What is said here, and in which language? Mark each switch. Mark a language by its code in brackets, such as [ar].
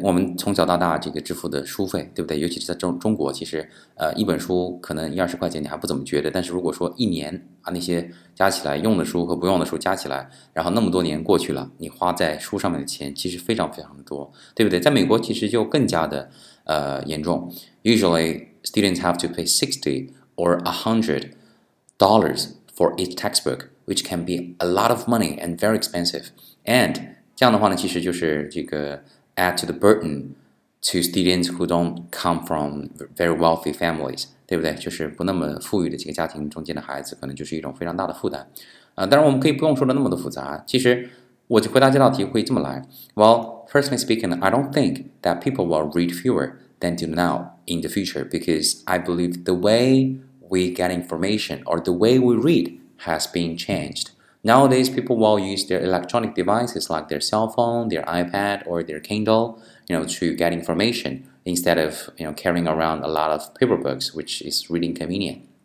[zh] 我们从小到大这个支付的书费，对不对？尤其是在中国，其实一本书可能一二十块钱你还不怎么觉得，但是如果说一年啊，那些加起来用的书和不用的书加起来，然后那么多年过去了，你花在书上面的钱其实非常非常的多，对不对？在美国其实就更加的严重。 [en] Usually students have to pay $60 or $100 for each textbook, which can be a lot of money and very expensive, and [zh] 这样的话呢，其实就是这个 [en] add to the burden to students who don't come from very wealthy families, [zh] 对不对？就是不那么富裕的这个家庭中间的孩子，可能就是一种非常大的负担。当然我们可以不用说的那么的复杂。其实我就回答这道题会这么来。 [en] Well, personally speaking, I don't think that people will read fewer than do now in the future, because I believe the way we get information or the way we read has been changed. Nowadays, people will use their electronic devices like their cell phone, their iPad, or their Kindle, you know, to get information instead of, you know, carrying around a lot of paper books, which is really inconvenient.